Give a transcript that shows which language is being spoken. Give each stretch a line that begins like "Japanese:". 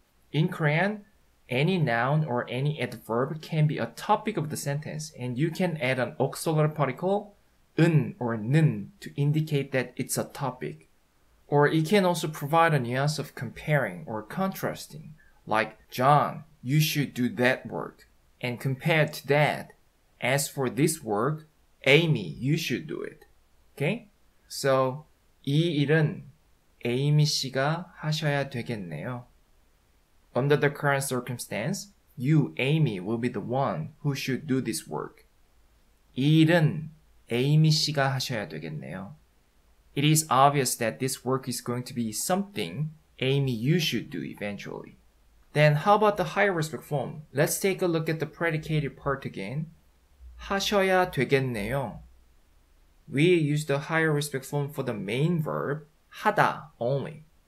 English: In Korean, any noun or any adverb can be a topic of the sentence, and you can add an auxiliary particle, 은 or 는, to indicate that it's a topic. Or it can also provide a nuance of comparing or contrasting, like, John, you should do that work. And compared to that, as for this work, Amy, you should do it. Okay?
Korean: So, 이 일은 에이미 씨가 하셔야 되겠네요.
English: Under the current circumstance, you, Amy, will be the one who should do this work.
Korean: 이 일은 에이미 씨가 하셔야 되겠네요.
English: It is obvious that this work is going to be something Amy, you should do eventually. Then how about the higher respect form? Let's take a look at the predicated part again.
Korean: 하셔야 되겠네요.
English: We use the higher respect form for the main verb 하다 only.